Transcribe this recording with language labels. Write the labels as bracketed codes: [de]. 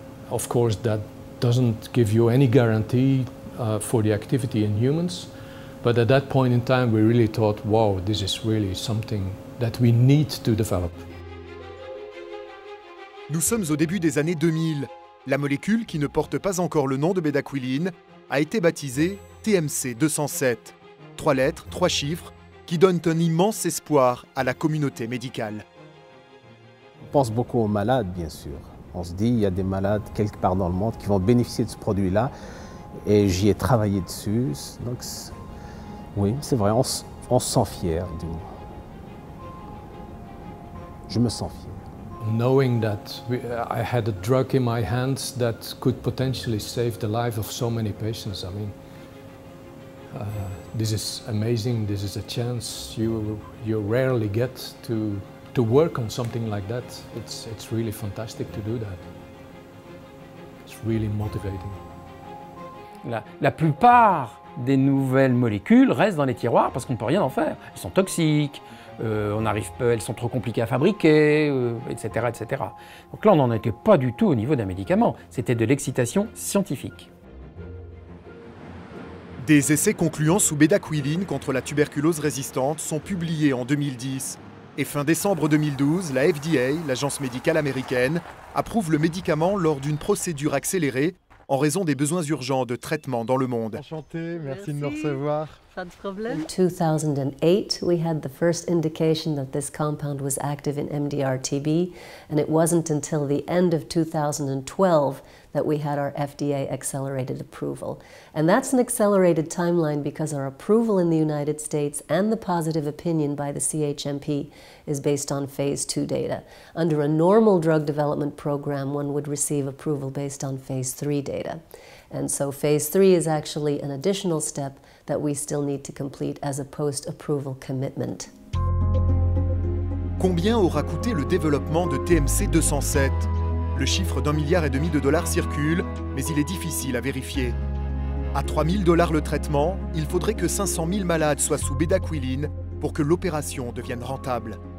[en] Of course, that doesn't give you any guarantee for the activity in humans, but at that point in time, we really thought, wow, this is really something that we need to develop. [fr] Nous sommes au début des années 2000. La molécule qui ne porte pas encore le nom de bédaquiline a été baptisée TMC-207. 3 lettres, 3 chiffres, qui donnent un immense espoir à la communauté médicale. On pense beaucoup aux malades, bien sûr. On se dit, il y a des malades quelque part dans le monde qui vont bénéficier de ce produit-là. Et j'y ai travaillé dessus. Donc, oui, c'est vrai, on se sent fier, du moins. Je me sens fier. [en] Knowing that I had a drug in my hands that could potentially save the life of so many patients, I mean, this is amazing. This is a chance you rarely get to work on something like that. It's really fantastic to do that. It's really motivating. [fr] La plupart des nouvelles molécules restent dans les tiroirs parce qu'on ne peut rien en faire. Elles sont toxiques. Elles sont trop compliquées à fabriquer, etc., etc. Donc là, on n'en était pas du tout au niveau d'un médicament, c'était de l'excitation scientifique. Des essais concluants sous bédaquiline contre la tuberculose résistante sont publiés en 2010. Et fin décembre 2012, la FDA, l'agence médicale américaine, approuve le médicament lors d'une procédure accélérée en raison des besoins urgents de traitement dans le monde. Enchanté, merci de nous recevoir. Pas de problème. [en] In 2008, we had the first indication that this compound was active in MDR-TB, and it wasn't until the end of 2012 that we had our FDA accelerated approval. And that's an accelerated timeline because our approval in the United States and the positive opinion by the CHMP is based on phase 2 data. Under a normal drug development program, one would receive approval based on phase 3 data. And so phase 3 is actually an additional step that we still need to complete as a post-approval commitment. [fr] Combien aura coûté le développement de TMC-207? Le chiffre $1,5 milliard circule, mais il est difficile à vérifier. À $3,000 le traitement, il faudrait que 500 000 malades soient sous bédaquiline pour que l'opération devienne rentable.